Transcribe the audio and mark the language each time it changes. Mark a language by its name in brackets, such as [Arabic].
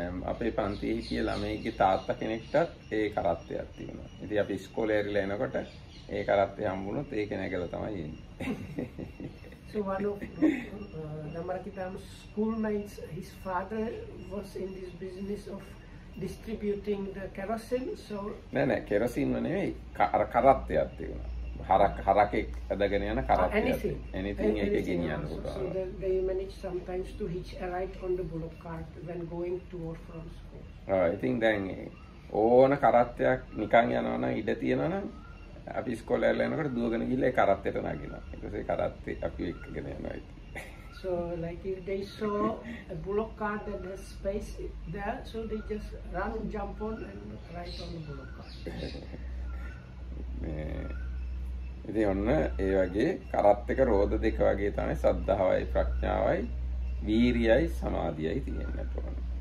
[Sinhala] අපේ පන්ති හිටිය ළමයිගේ තාත්තා කෙනෙක්ටත් ඒ කරත්තයක් තිබුණා. ඉතින් අපි ඉස්කෝලේ ඇරිලා එනකොට ඒ කරත්තේ හම්බුනොත් ඒක නැගලා තමයි එන්නේ. [English] So one of the Markitam's schoolmates, his father was in this business of distributing the kerosene. So [Sinhala] නෑ කෙරොසින්ම නෙවෙයි කරත්තයක් තිබුණා. හරකෙක් ඇදගෙන යන කරත්තයක්. [English] Anything [Sinhala] එක ගෙනියන්න පුළුවන්. [English] So they manage sometimes to hitch a ride on the bullock cart when going to or from school. [Sinhala] I think then ඕන කරත්තයක් නිකන් යනවා නම් ඉඩ තියෙනවා නම් අපි ඉස්කෝලේ යලා යනකොට දුවගෙන ගිහලා ඒ කරත්තයට නැගිනවා. ඊට පස්සේ කරත්තේ අපි එක්කගෙන යනවා. [English] So like if they saw a bullock cart that has space there, so they just run and jump on and ride on the bullock cart. [Sinhala] ඉතින් ඔන්න ඒ වගේ කරත් එක රෝද දෙක වගේ තමයි සද්ධාවයි ප්‍රඥාවයි වීරියයි සමාධියයි තියෙන්නේ තොරණ.